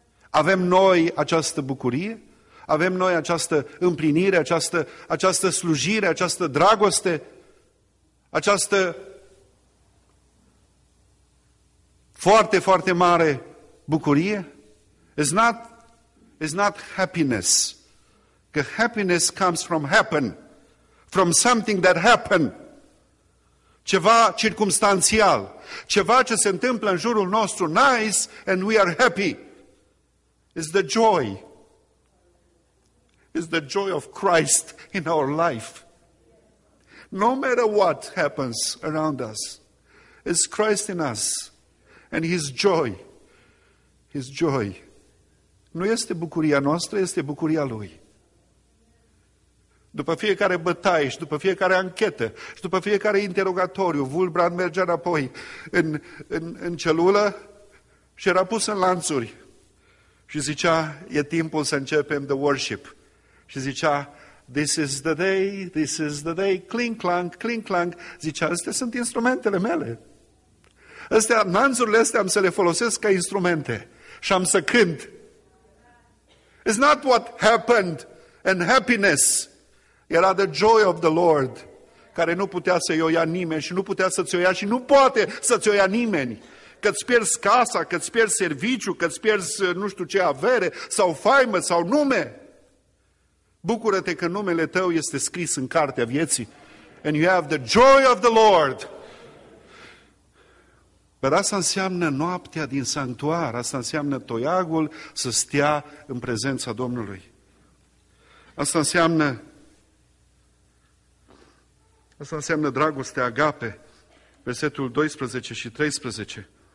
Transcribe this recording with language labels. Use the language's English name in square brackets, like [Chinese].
[Romanian] Avem noi această bucurie? Avem noi această împlinire, această slujire, această dragoste, această foarte, foarte mare bucurie? [English] It's not happiness. The happiness comes from happen, from something that happened. [Romanian] Ceva circumstanțial, ceva ce se întâmplă în jurul nostru, [English] nice and we are happy. It's the joy. It's the joy of Christ in our life. No matter what happens around us, it's Christ in us and His joy. His joy. [Romanian] Nu este bucuria noastră, este bucuria Lui. După fiecare bătaie și după fiecare anchetă și după fiecare interogatoriu, Wulbrand mergea înapoi în celulă și era pus în lanțuri și zicea, e timpul să începem [English] the worship. [Romanian] Și zicea, [English] this is the day, this is the day, clink, clank, clink, clank. [Romanian] Zicea, astea sunt instrumentele mele. Astea, lanțurile astea am să le folosesc ca instrumente și am să cânt. [English] It's not what happened and happiness. [Romanian] Era [English] the joy of the Lord, [Romanian] care nu putea să-i o ia nimeni și nu putea să-ți o ia și nu poate să-ți o ia nimeni. Că-ți pierzi casa, că-ți pierzi serviciu, că-ți pierzi nu știu ce avere sau faimă sau nume. Bucură-te că numele tău este scris în cartea vieții. [English] And you have the joy of the Lord. [Romanian] Dar asta înseamnă noaptea din sanctuar, asta înseamnă toiagul să stea în prezența Domnului. Asta înseamnă dragoste, agape, versetul 12 și 13.